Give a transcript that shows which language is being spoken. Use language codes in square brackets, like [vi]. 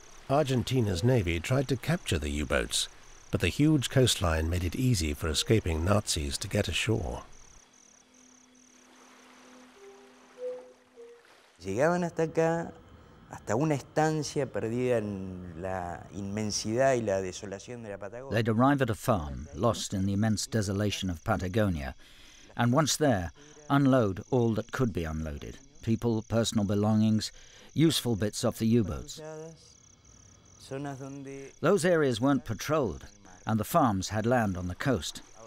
[en] Argentina's navy tried to capture the U-boats, but the huge coastline made it easy for escaping Nazis to get ashore. [es] Llegaban hasta acá, hasta una estancia perdida en la inmensidad y la desolación de la Patagonia. [en] They'd arrive at a farm, lost in the immense desolation of Patagonia, and once there, unload all that could be unloaded: people, personal belongings, useful bits off the U-boats. Those areas weren't patrolled, and the farms had land on the coast.